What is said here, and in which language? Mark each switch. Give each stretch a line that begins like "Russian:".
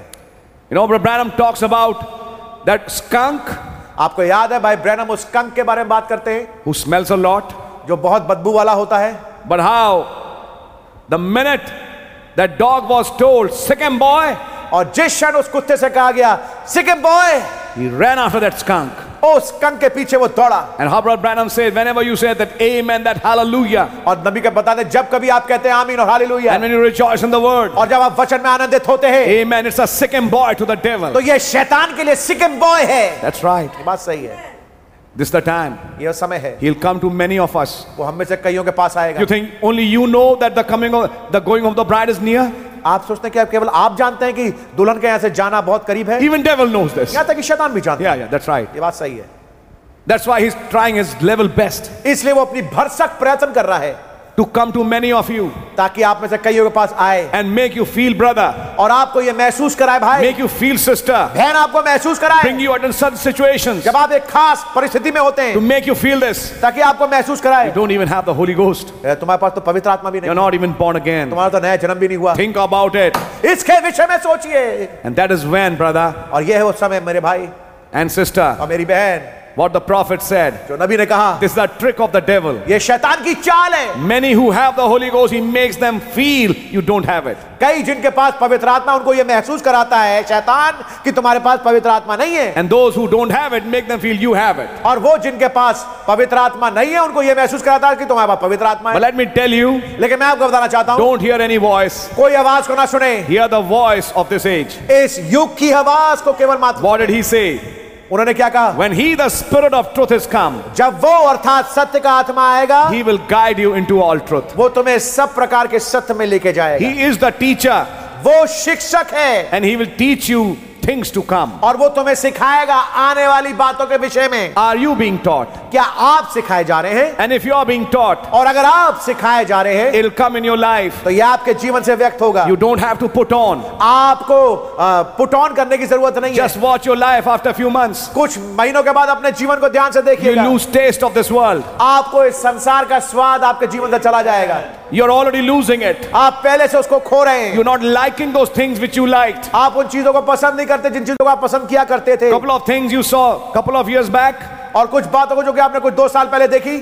English: You know, Brother Branham talks about that skunk.
Hindi: आपको याद है भाई ब्रैनम उस स्कंक के बारे में बात करते हैं
English: Who smells a lot.
Hindi: जो बहुत बदबू वाला होता है
English: But how? The minute that dog was told, Sikkim boy.
Hindi: और जिस क्षण उस कुत्ते से कहा गया
English: Sikkim boy. He ran after that skunk.
Hindi: उस स्कंक के पीछे वो दौड़ा
English: And how Brother Branham said, whenever you say that amen, that hallelujah.
Hindi: और नबी के बता दे जब कभी आप कहते हैं आमीन और hallelujah
English: And when you rejoice in the word.
Hindi: और जब आप वचन में आनंदित होते हैं
English: amen, it's a Sikkim boy to the devil.
Hindi: तो ये शैतान के लिए
English: Sikkim boy
Hindi: है
English: That's right.
Hindi: बात सही है
English: This is the time.
Hindi: ये समय है.
English: He'll come to many of us.
Hindi: वो हम में से कईयों के पास आएगा.
English: You think only you know that the coming of the going of the bride is near?
Hindi: आप सोचते हैं कि केवल आप जानते हैं कि दुल्हन के यहां से जाना बहुत करीब है?
English: Even devil knows this.
Hindi: यहां तक कि शैतान भी जानता है.
English: Yeah, that's right.
Hindi: ये बात सही है.
English: That's why he's trying his level best.
Hindi: इसलिए वो अपनी भरसक प्रयत्न कर रहा है.
English: To come to many of you,
Hindi: ताकि आप में से कईयों के पास आए,
English: and make you feel brother,
Hindi: और आपको ये महसूस कराए भाई,
English: make you feel sister,
Hindi: बहन आपको महसूस कराए,
English: bring you out in certain situations,
Hindi: जब आप एक खास परिस्थिति में होते हैं,
English: to make you feel this,
Hindi: ताकि आपको महसूस कराए,
English: you don't even have the Holy Ghost,
Hindi: तुम्हारे पास तो पवित्र आत्मा भी नहीं,
English: you're not even born again,
Hindi: तुम्हारा तो नया जन्म भी नहीं हुआ,
English: think about it,
Hindi: इसके विषय में सोचिए,
English: and that is when brother,
Hindi: और ये है वो समय मेरे भाई,
English: and sister,
Hindi: और मेरी बहन.
English: What the prophet said.
Hindi: जो नबी ने कहा.
English: This is the trick of the devil.
Hindi: ये शैतान की चाल है.
English: Many who have the Holy Ghost, he makes them feel you don't have it.
Hindi: कई जिनके पास पवित्र आत्मा उनको ये महसूस कराता है शैतान कि तुम्हारे पास पवित्र आत्मा नहीं है.
English: And those who don't have it, make them feel you have it.
Hindi: और वो जिनके पास पवित्र आत्मा नहीं है उनको ये महसूस कराता है कि तुम्हारे पास पवित्र आत्मा है.
English: But let me tell you.
Hindi: लेकिन मैं आपको बताना चाहता हूँ.
English: Don't hear any voice.
Hindi: कोई आवाज को ना सुने.
English: Hear the voice of this age.
Hindi: इस युग की आवाज को केवल मात्र.
English: What did he say?
Hindi: उन्होंने क्या कहा
English: When he the spirit of truth is come
Hindi: जब वो अर्थात सत्य का आत्मा आएगा
English: he will guide you into all truth
Hindi: वो तुम्हें सब प्रकार के सत्य में लेके जाएगा
English: he is the teacher
Hindi: वो शिक्षक है
English: and he will teach you things to come
Hindi: और वो तुम्हें सिखाएगा आने वाली बातों के विषय में
English: are you being taught
Hindi: क्या आप सिखाए जा रहे हैं
English: and if you are being taught
Hindi: और अगर आप सिखाए जा रहे हैं
English: it'll come in your life
Hindi: तो ये आपके जीवन से व्यक्त होगा
English: you don't have to put on
Hindi: आपको
English: put on
Hindi: करने की जरूरत नहीं
English: just
Hindi: है.
English: Watch your life after a few months
Hindi: कुछ महीनों के बाद अपने जीवन को ध्यान से देखिएगा
English: you lose taste of this world
Hindi: आपको इस संसार का स्वाद आपके जीवन से चला जाएगा
English: You're already losing it.
Hindi: आप पहले से उसको खो रहे हैं.
English: You're not liking those things which you liked.
Hindi: आप उन चीजों को पसंद नहीं करते जिन चीजों को आप पसंद किया करते थे.
English: Couple of things you saw couple of years back.
Hindi: और कुछ बातों को जो कि आपने कुछ दो साल पहले देखी